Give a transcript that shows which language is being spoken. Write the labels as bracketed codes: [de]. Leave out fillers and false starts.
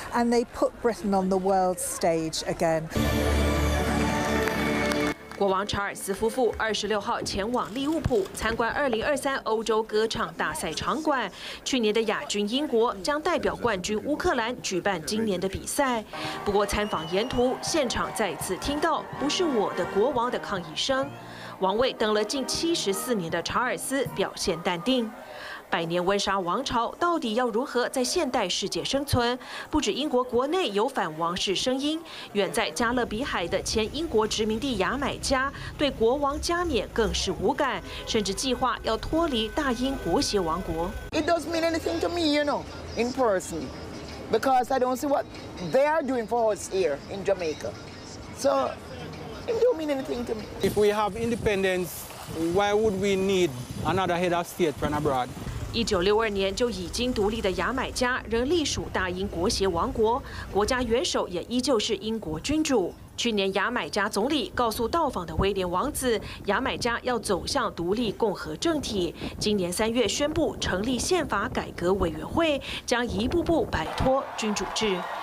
[en] And they put Britain on the world stage again. [zh] 国王查尔斯夫妇26号前往利物浦参观2023欧洲歌唱大赛场馆。去年的亚军英国将代表冠军乌克兰举办今年的比赛。不过参访沿途，现场再次听到“不是我的国王”的抗议声。王位等了近74年的查尔斯表现淡定。百年温莎王朝到底要如何在现代世界生存？不止英国国内有反王室声音，远在加勒比海的前英国殖民地牙买加对国王加冕更是无感，甚至计划要脱离大英国协王国。 [en] It doesn't mean anything to me, you know, in person, because I don't see what they are doing for us here in Jamaica. So it don't mean anything to me. If we have independence. Why would we need another head of state from abroad? [zh] 1962年就已经独立的牙买加仍隶属大英国协王国，国家元首也依旧是英国君主。去年牙买加总理告诉到访的威廉王子，牙买加要走向独立共和政体。今年3月宣布成立宪法改革委员会，将一步步摆脱君主制。